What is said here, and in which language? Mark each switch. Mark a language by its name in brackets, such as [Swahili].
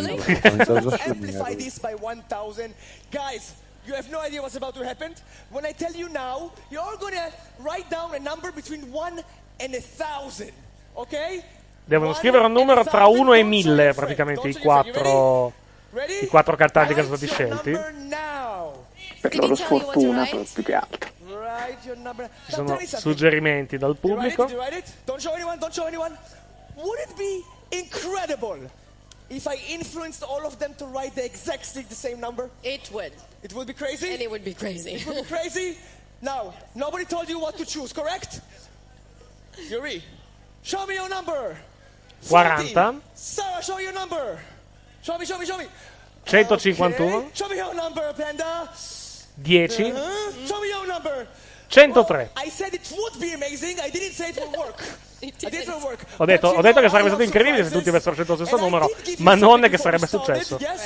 [English] Guys, you have no idea what's about to happen. When I tell you now, you're all gonna write down a number between 1 and 1,000, okay? [Italian] Devono scrivere un numero tra 1 e 1,000, praticamente, i quattro cantanti che sono stati scelti. Per loro sfortuna, per più che altro. [English] Write your number. [Italian] Ci sono suggerimenti dal pubblico. [English] Don't show anyone, don't show anyone. Would it be incredible if I influenced all of them to write the exactly the same number? It would. It would be crazy? And it would be crazy. It would be crazy? Now, nobody told you what to choose, correct? Yuri, show me your number. 40. Sarah, show your number. Show me, show me, show me. 151. Okay. Show me your number, Panda. 10. Show me your number. 103. Well, I said it would be amazing, I didn't say it would work. [Italian] Ho detto che sarebbe stato incredibile se tutti avessero scelto lo stesso numero, ma non è che sarebbe successo.